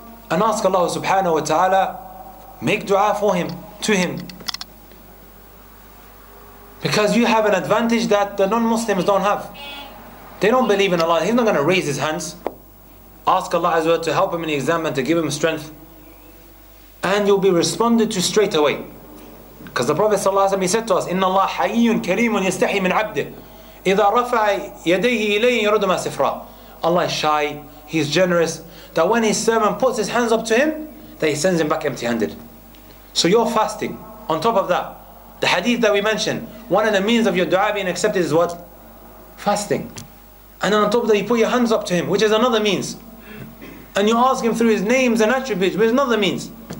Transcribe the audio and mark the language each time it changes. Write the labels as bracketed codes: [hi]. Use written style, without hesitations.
[en] And ask Allah subhanahu wa ta'ala, make dua for him, to him. Because you have an advantage that the non-Muslims don't have. They don't believe in Allah. He's not going to raise his hands. Ask Allah as well to help him in the exam and to give him strength. And you'll be responded to straight away. Because the Prophet sallallahu alayhi wa sallam, he said to us, [ar] إِنَّ اللَّهَ حَيِّيٌ كَرِيمٌ يَسْتَحِي مِنْ عَبْدِهِ إِذَا رَفَعَ يَدَيْهِ إِلَيْهِ يَرُدُ مَا سِفْرَى. [en] Allah is shy, he's generous, that when his servant puts his hands up to him, that he sends him back empty-handed. So you're fasting. On top of that, the hadith that we mentioned, one of the means of your dua being accepted is what? Fasting. And then on top of that, you put your hands up to him, which is another means. And you ask him through his names and attributes, which is another means.